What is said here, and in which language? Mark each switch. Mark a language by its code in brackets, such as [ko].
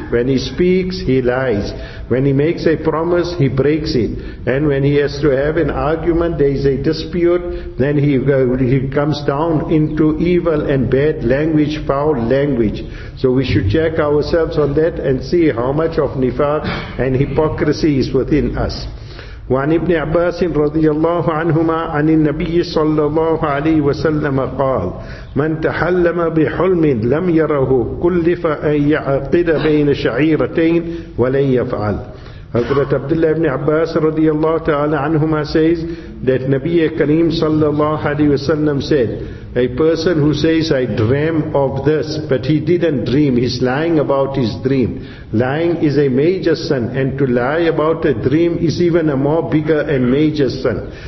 [en] When he speaks, he lies. When he makes a promise, he breaks it. And when he has to have an argument, there is a dispute, then he comes down into evil and bad language, foul language. So we should check ourselves on that and see how much of nifaq and hypocrisy is within us. [ar] وعن ابن عباس رضي الله عنهما عن النبي صلى الله عليه وسلم قال من تحلم بحلم لم يره كلف أن يعقد بين شعيرتين ولن يفعل. [en] Hazrat Abdullah ibn Abbas radiyallahu ta'ala anhuma says that Nabi Kareem sallallahu alayhi wasallam said, a person who says, I dream of this, but he didn't dream, he's lying about his dream. Lying is a major sin, and to lie about a dream is even a more bigger and major sin.